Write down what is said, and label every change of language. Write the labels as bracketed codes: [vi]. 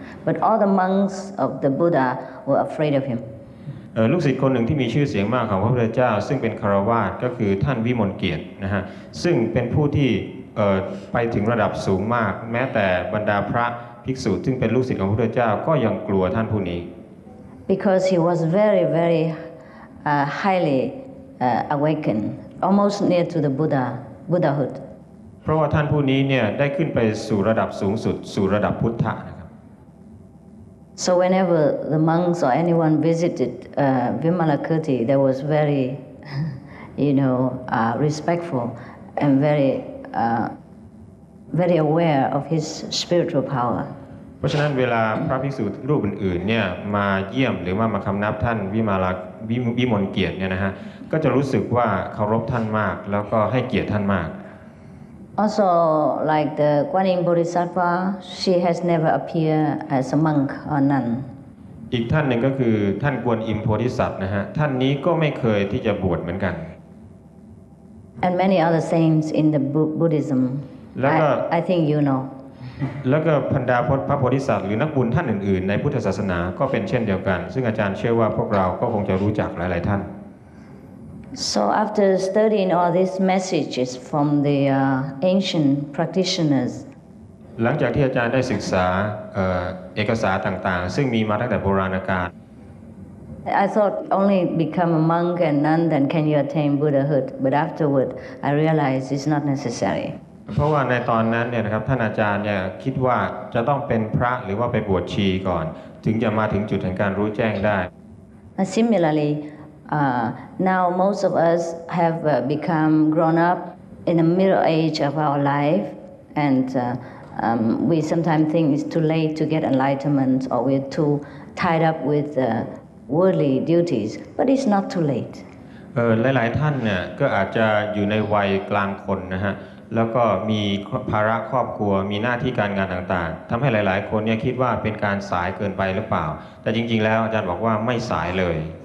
[en] But all the monks of the Buddha were afraid of him. [th] ลูกศิษย์คนหนึ่งที่มีชื่อเสียงมากของพระพุทธเจ้าซึ่งเป็นคารวาสก็คือท่านวิมลเกียรตินะฮะซึ่งเป็นผู้ที่ไปถึงระดับสูงมากแม้แต่บรรดาพระภิกษุซึ่งเป็นลูกศิษย์ของพระพุทธเจ้าก็ยังกลัวท่านผู้นี้ [en] Because he was very very highly awakened almost near to the Buddha Buddhahood. [th] เพราะว่าท่านผู้นี้เนี่ยได้ขึ้นไปสู่ระดับสูงสุดสู่ระดับพุทธะ [en] So whenever the monks or anyone visited Vimalakirti, there was very, you know, respectful and very, very aware of his spiritual power. [th] ราะฉะนั้นเวลาพระภิกษุรูปอื่นๆเนี่ยมาเยี่ยมหรือว่ามาคำนับท่านวิมลเกียรติเนี่ยนะฮะก็จะรู้สึกว่าเคารพท่านมากแล้วก็ให้เกียรติท่านมาก [en] Also like the Guanyin Bodhisattva she has never appeared as a monk or nun [th] อีกท่านหนึ่งก็คือท่านกวนอิมโพธิสัตว์นะฮะท่านนี้ก็ไม่เคยที่จะบวชเหมือนกัน [en] And many other saints in the Buddhism I think you know [th] แล้วก็พันดาพระโพธิสัตว์หรือนักบุญท่านอื่นๆในพุทธศาสนาก็เป็นเช่นเดียวกันซึ่งอาจารย์เชื่อว่าพวกเราก็คงจะรู้จักหลายๆท่าน [en] So after studying all these messages from the ancient practitioners [th] หลังจากที่อาจารย์ได้ศึกษาเอกสารต่างๆซึ่งมีมาตั้งแต่โบราณกาล [en] I thought only become a monk and nun then can you attain Buddhahood but afterward I realized it's not necessary [th] เพราะว่าในตอนนั้นเนี่ยนะครับท่านอาจารย์เนี่ยคิดว่าจะต้องเป็นพระหรือว่าไปบวชชีก่อนถึงจะมาถึงจุดแห่งการรู้แจ้งได้ [en] Similarly now most of us have become grown up in the middle age of our life and we sometimes think it's too late to get enlightenment or we're too tied up with worldly duties but it's not too late [th] หลายๆท่านเนี่ยก็อาจจะอยู่ในวัยกลางคนนะฮะแล้วก็มีภาระครอบครัวมีหน้าที่การงานต่างๆทำให้หลายๆคนเนี่ยคิดว่าเป็นการสายเกินไปหรือเปล่าแต่จริงๆแล้วอาจารย์บอกว่าไม่สายเลย